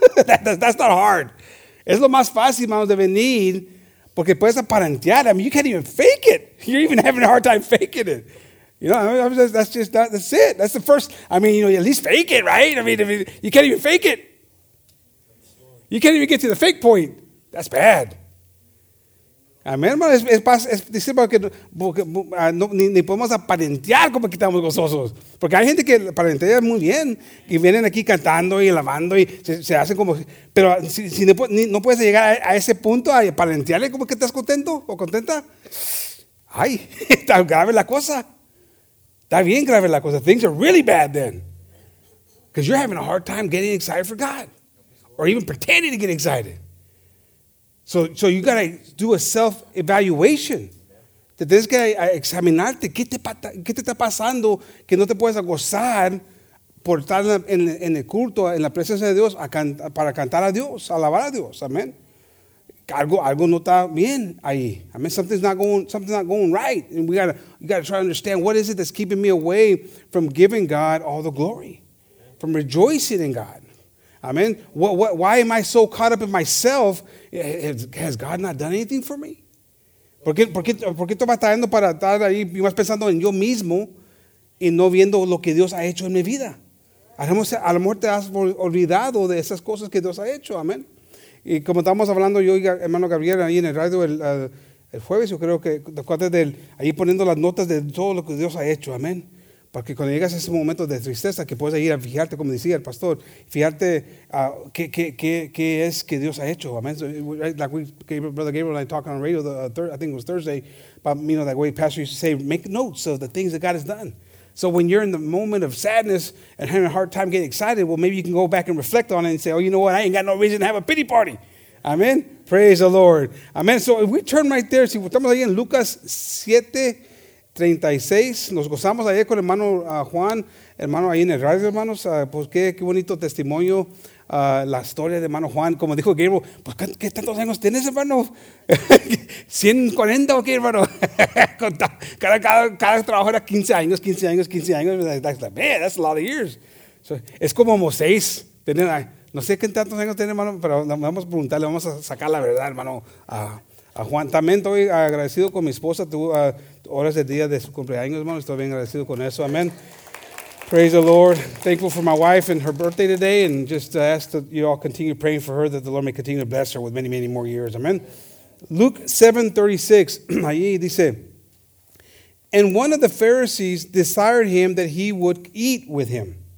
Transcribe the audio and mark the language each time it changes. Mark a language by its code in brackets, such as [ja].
[en] that's not hard. [es] Es lo más fácil, hermanos, de venir, porque puedes aparentar. [en] I mean, you can't even fake it. You're even having a hard time faking it. You know, I mean, that's it. That's the first, I mean, you know, at least fake it, right? I mean, you can't even fake it. You can't even get to the fake point. That's bad. [es] Amén, hermano. Es decir, porque ni podemos aparentar como que estamos gozosos. Porque hay gente que aparentan muy bien y vienen aquí cantando y alabando y se hacen como. Pero no puedes llegar a ese punto, a aparentarle como que estás contento o contenta. Ay, está grave la cosa. Está bien grave la cosa. [en] Things are really bad then. Because you're having a hard time getting excited for God. Or even pretending to get excited. So you got to do a self-evaluation. [es] Te tienes que examinarte. ¿Qué te está pasando que no te puedes gozar por estar en el culto, en la presencia de Dios, para cantar a Dios, alabar a Dios? Amén. Algo no está bien ahí. [en] I mean, something's not going right. And you gotta try to understand what is it that's keeping me away from giving God all the glory, from rejoicing in God. Amen. What? Why am I so caught up in myself? Has God not done anything for me? [es] ¿Por qué tú vas trayendo para estar ahí y vas pensando en yo mismo y no viendo lo que Dios ha hecho en mi vida? A lo mejor te has olvidado de esas cosas que Dios ha hecho. Amén. Y como estábamos hablando yo y hermano Gabriel ahí en el radio el jueves, yo creo que después de ahí poniendo las notas de todo lo que Dios ha hecho. Amén. Porque cuando llegas a ese momento de tristeza, que puedes ir a fijarte, como decía el pastor, fijarte qué es que Dios ha hecho. [en] Amen. So, like Brother Gabriel and I talked on the radio, I think it was Thursday, about, you know, that way pastor used to say, make notes of the things that God has done. So when you're in the moment of sadness and having a hard time getting excited, well, maybe you can go back and reflect on it and say, oh, you know what? I ain't got no reason to have a pity party. Amen. Praise the Lord. Amen. So if we turn right there, [es] si estamos ahí en Lucas 7, 36, nos gozamos ayer con hermano Juan, hermano ahí en el radio, hermanos, pues qué bonito testimonio, la historia de hermano Juan, como dijo Gabriel, pues ¿qué tantos años tienes, hermano? ¿140 o qué, hermano? cada trabajo era 15 años, [en] that's a lot of years. [es] So, es como Moisés, no sé qué tantos años tiene, hermano, pero vamos a preguntarle, vamos a sacar la verdad, hermano, a Juan. También estoy agradecido con mi esposa, horas del día de su cumpleaños, hermano. Estoy bien agradecido con eso. Amen. [en] Praise the Lord. Thankful for my wife and her birthday today. And just ask that you all continue praying for her, that the Lord may continue to bless her with many, many more years. Amen. Luke 7:36. [es] Ahí dice, [en] and one of the Pharisees desired him that he would eat with him.